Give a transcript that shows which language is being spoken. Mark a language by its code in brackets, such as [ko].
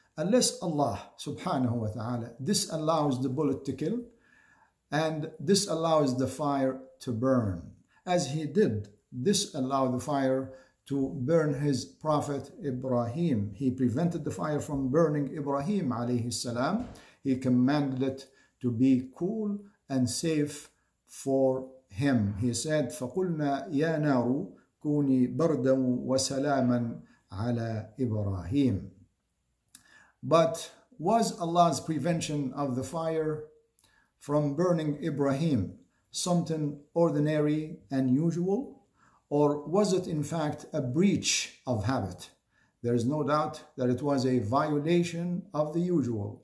[en] Unless Allah subhanahu wa ta'ala disallows the bullet to kill, and this allows the fire to burn, as he did disallow the fire to burn his prophet Ibrahim. He prevented the fire from burning Ibrahim alayhi salam. He commanded it to be cool and safe for him. He said, [ar] فَقُلْنَا يَا نَارُ كُونِي بَرْدًا وَسَلَامًا عَلَى إِبْرَاهِيمٍ. But [en] was Allah's prevention of the fire from burning Ibrahim something ordinary and usual? Or was it in fact a breach of habit? There is no doubt that it was a violation of the usual.